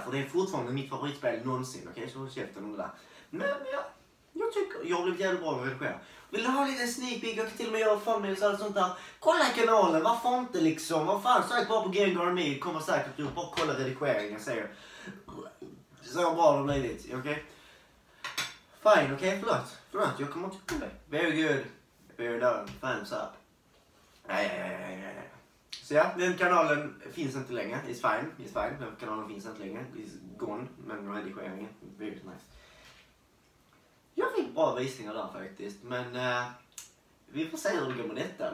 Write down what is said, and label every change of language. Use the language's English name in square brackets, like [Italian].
[Swedish] För det är fortfarande mitt favoritspel någonsin. Okej, okay? Så håll käften om det där. Men jag tycker jag blev jävligt bra med att redigera. Vill du ha lite sneak peek och till och med göra formels och sånt där? Kolla kanalen, varför inte liksom? Vad fan, sök bara på Gengar Me, kommer säkert upp och kolla redigeringen, säger jag. Så bra det har blivit, okej? Okay? Fine, okej, okay? Förlåt, jag kommer inte kolla dig. [English] Very good, very done, thumbs up. [Swedish] Nej. Så ja, den kanalen finns inte längre, [English] it's fine. [Swedish] Den kanalen finns inte längre, [English] it's gone, [Swedish] men redigeringen, [English] very nice. [Swedish] Jag fick bra visningar där faktiskt, men vi får se hur det går med detta.